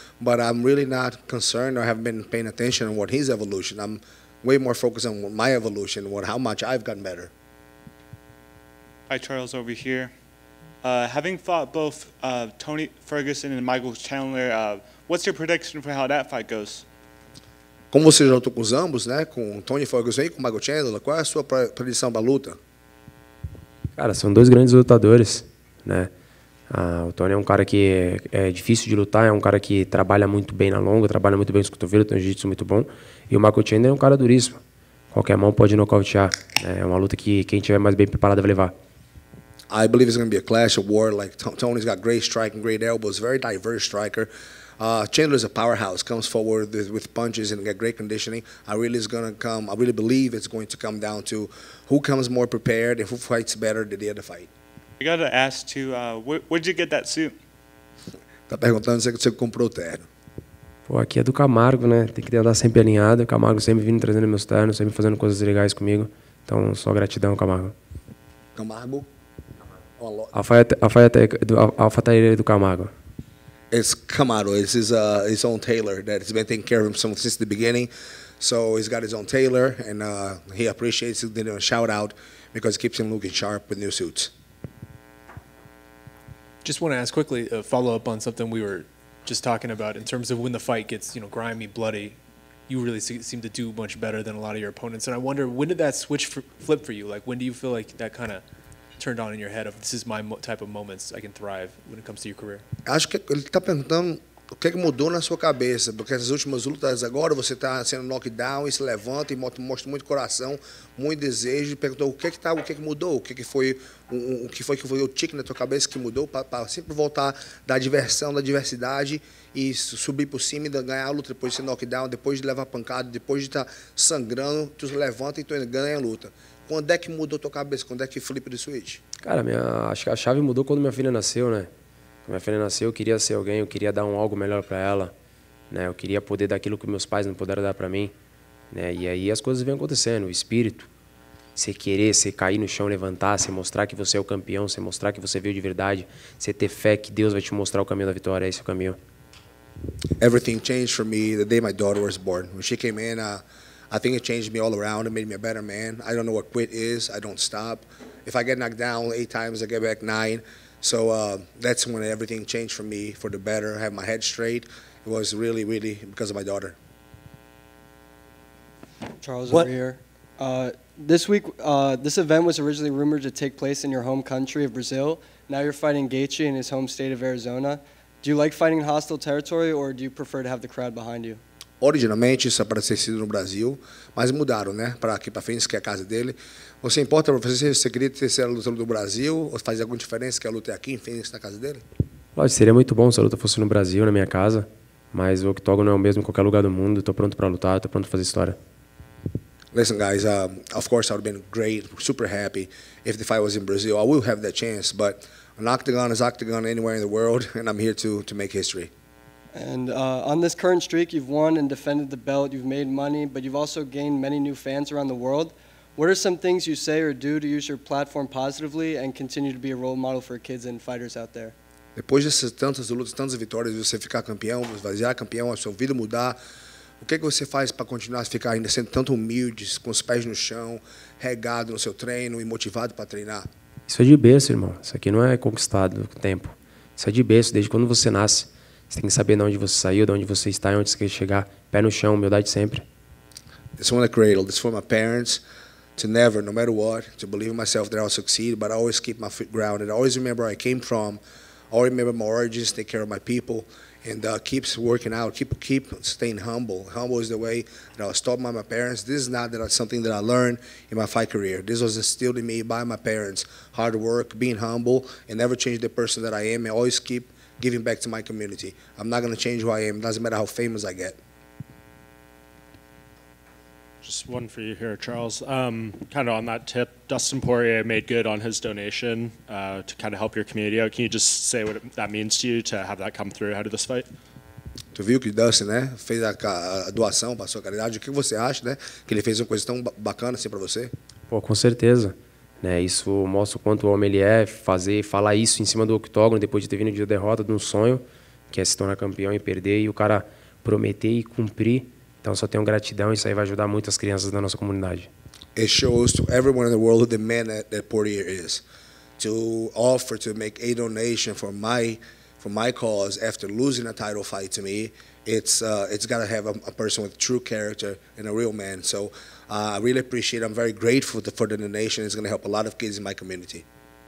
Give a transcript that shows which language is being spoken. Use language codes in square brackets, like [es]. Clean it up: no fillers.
[en] But I'm really not concerned or haven't been paying attention on what his evolution. I'm way more focused on my evolution, what how much I've gotten better. Hi, Charles, over here. Having fought both Tony Ferguson and Michael Chandler, what's your prediction for how that fight goes? [pt] Como você já lutou com os ambos, né? Com o Tony Ferguson e com o Michael Chandler, qual é a sua predição para a luta? Cara, são dois grandes lutadores, né? Ah, o Tony é um cara que é difícil de lutar, é um cara que trabalha muito bem na longa, trabalha muito bem com os cotovelos, tem um jiu-jitsu muito bom. E o Michael Chandler é um cara duríssimo. Qualquer mão pode nocautear. Né? É uma luta que quem tiver mais bem preparado vai levar. [en] I believe it's going to be a clash of war. Like Tony's got great striking, great elbows, very diverse striker. Chandler is a powerhouse, comes forward with punches and get great conditioning. I really believe it's going to come down to who comes more prepared and who fights better the day of the fight. I got to ask too, where'd you get that suit? [pt] Tá perguntando se você comprou o terno. Pô, aqui é do Camargo, né? Tem que andar sempre alinhado. O Camargo sempre vindo trazendo meus ternos, sempre fazendo coisas legais comigo. Então, só gratidão, Camargo. Camargo? Alfaiataria do Camargo. [en] It's Camaro. It's his own tailor that has been taking care of him since the beginning. So he's got his own tailor, and he appreciates it. Then a shout out because it keeps him looking sharp with new suits. Just want to ask quickly a follow up on something we were just talking about in terms of when the fight gets, you know, grimy, bloody. You really seem to do much better than a lot of your opponents, and I wonder when did that switch flip for you? Like, when do you feel like that kind of turned on in your head of this is my type of moments I can thrive when it comes to your career? [pt] Acho que ele está perguntando o que mudou na sua cabeça, porque essas últimas lutas agora você está sendo knockdown e se levanta e mostra muito coração, muito desejo. Perguntou o que foi o tique na tua cabeça que mudou para sempre voltar da diversão, da diversidade e subir por cima e ganhar a luta depois de ser knockdown, depois de levar pancada, depois de estar sangrando, tu se levanta e tu ganha a luta. Quando é que mudou tua cabeça? Quando é que flipa de switch? Cara, acho que a chave mudou quando minha filha nasceu, né? Quando minha filha nasceu, eu queria ser alguém, eu queria dar algo melhor para ela, né? Eu queria poder dar aquilo que meus pais não puderam dar para mim, né? E aí as coisas vêm acontecendo, o espírito, você querer, você cair no chão, levantar, você mostrar que você é o campeão, você mostrar que você veio de verdade, você ter fé que Deus vai te mostrar o caminho da vitória, esse é o caminho. [en] Everything changed for me the day my daughter was born. When she came in, I think it changed me all around. It made me a better man. I don't know what quit is. I don't stop. If I get knocked down 8 times, I get back 9. So that's when everything changed for me for the better. I have my head straight. It was really, really because of my daughter. Charles, what? Over here. This week, this event was originally rumored to take place in your home country of Brazil. Now you're fighting Gaethje in his home state of Arizona. Do you like fighting in hostile territory, or do you prefer to have the crowd behind you? [pt] Originalmente isso era ser sido no Brasil, mas mudaram, né? Para aqui para Phoenix, que é a casa dele. Você importa para você se você queria ter sido a luta do Brasil ou faz alguma diferença que a luta é aqui em Phoenix, na casa dele? Lógico, seria muito bom se a luta fosse no Brasil, na minha casa, mas o octógono é o mesmo em qualquer lugar do mundo. Estou pronto para lutar, estou pronto para fazer história. [en] Listen, guys. Of course, I would have been great, super happy if the fight was in Brazil. I will have that chance, but an octagon is octagon anywhere in the world, and I'm here to make history. And on this current streak, you've won and defended the belt. You've made money, but you've also gained many new fans around the world. What are some things you say or do to use your platform positively and continue to be a role model for kids and fighters out there? [pt] Depois dessas tantas lutas, tantas vitórias, você ficar campeão, esvaziar campeão, a sua vida mudar. O que você faz para continuar a ficar ainda sendo tanto humilde, com os pés no chão, regado no seu treino e motivado para treinar? Isso é de berço, irmão. Isso aqui não é conquistado com o tempo. Isso é de berço, desde quando você nasce. Você tem que saber de onde você saiu, de onde você está e onde você quer chegar. Pé no chão, humildade sempre. [en] This one I cradle. This for my parents to never, no matter what, to believe in myself that I'll succeed, but I always keep my feet grounded. I always remember where I came from. I always remember my origins, take care of my people. And keeps working out, keep staying humble. Humble is the way that I was taught by my parents. This is not that something that I learned in my fight career. This was instilled in me by my parents. Hard work, being humble, and never change the person that I am. I always keep giving back to my community. I'm not going to change who I am. It doesn't matter how famous I get. Just one for you here, Charles. Kind of on that tip, Dustin Poirier made good on his donation to kind of help your community out. Can you just say what that means to you to have that come through ahead of this fight? [pt] Tu viu que Dustin, né, fez a doação para sua caridade. O que você acha, né, que ele fez uma coisa tão bacana assim para você? Pô, com certeza. Né, isso mostra o quanto homem ele é, fazer, falar isso em cima do octógono depois de ter vindo de uma derrota, de um sonho, que é se tornar campeão e perder, e o cara prometer e cumprir. Então só tenho gratidão, isso aí vai ajudar muito as crianças da nossa comunidade. [en] It shows to everyone in the world who the man that Poirier is. To offer to make a donation for my cause after losing a title fight to me, it's got to have a person with true character and a real man. So I really appreciate, I'm very grateful for the donation. It's going to help a lot of kids in my community.